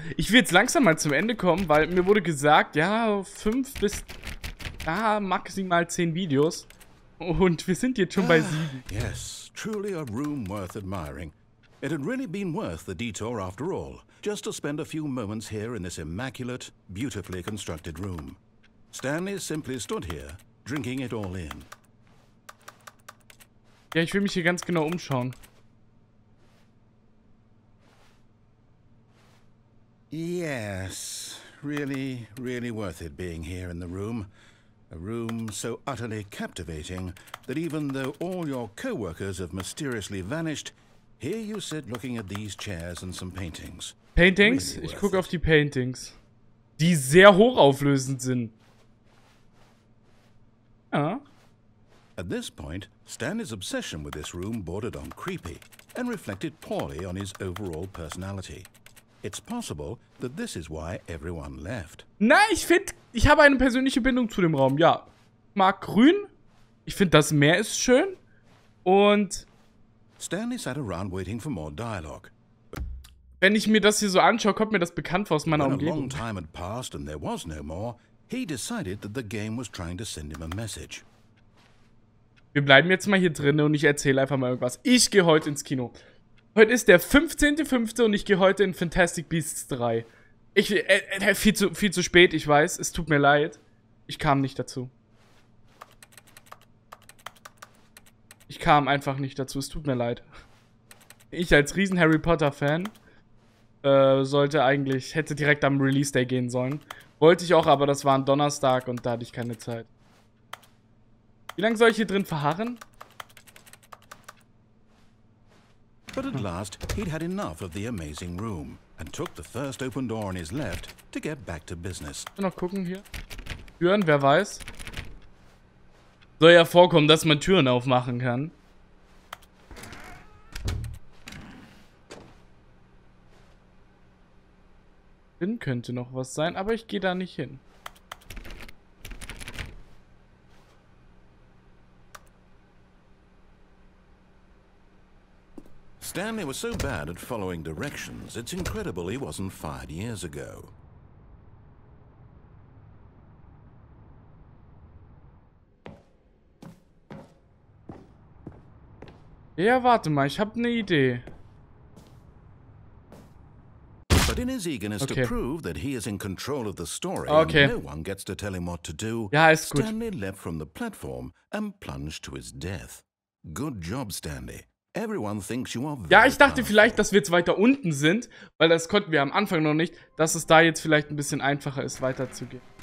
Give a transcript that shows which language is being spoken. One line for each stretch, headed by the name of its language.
German: Ich will jetzt langsam mal zum Ende kommen, weil mir wurde gesagt, ja, 5 bis maximal 10 Videos. Und wir sind jetzt schon bei 7.
English: Yes, truly a room worth admiring. It had really been worth the detour after all, just to spend a few moments here in this immaculate, beautifully constructed room. Stanley simply stood here, drinking it all in.
German: Ja, ich will mich hier ganz genau umschauen.
English: Yes, really, really worth it being here in the room. A room so utterly captivating that even though all your co-workers have mysteriously vanished, here you sit looking at these chairs and some paintings. Paintings? Really,
German: ich gucke auf die Paintings, die sehr hochauflösend sind. Ja.
English: At this point, Stanley's obsession with this room bordered on creepy and reflected poorly on his overall personality. It's possible that this is why everyone left.
German: Na, ich finde, ich habe eine persönliche Bindung zu dem Raum. Ja, mag grün. Ich finde, das Meer ist schön. Und
English: Stanley sat around waiting for more dialogue.
German: Wenn ich mir das hier so anschaue, kommt mir das bekannt vor aus meiner Umgebung.
English: When a long time had passed and there was no more, he decided that the game was trying to send him a message.
German: Wir bleiben jetzt mal hier drin und ich erzähle einfach mal irgendwas. Ich gehe heute ins Kino. Heute ist der 15.05. und ich gehe heute in Fantastic Beasts 3. Ich viel zu spät, ich weiß. Es tut mir leid. Ich kam nicht dazu. Ich kam einfach nicht dazu. Es tut mir leid. Ich als riesen Harry Potter Fan hätte direkt am Release Day gehen sollen. Wollte ich auch, aber das war ein Donnerstag und da hatte ich keine Zeit. Wie lange soll ich hier drin verharren?
English: But at last, he'd had enough of the amazing room and took the first open door on his left to get back to business.
German: Noch gucken hier. Türen, wer weiß. Soll ja vorkommen, dass man Türen aufmachen kann. Drin könnte noch was sein, aber ich gehe da nicht hin.
English: Stanley was so bad at following directions, it's incredible he wasn't fired years ago.
German: Ja, warte mal, ich habe eine Idee.
English: But in his eagerness to prove that he is in control of the story and no one gets to tell him what to do,
German: ja, ist gut.
English: Stanley leapt from the platform and plunged to his death. Good job, Stanley. Everyone thinks you are very
German: ja, ich dachte vielleicht, dass wir jetzt weiter unten sind, weil das konnten wir am Anfang noch nicht, dass es da jetzt vielleicht ein bisschen einfacher ist, weiterzugehen.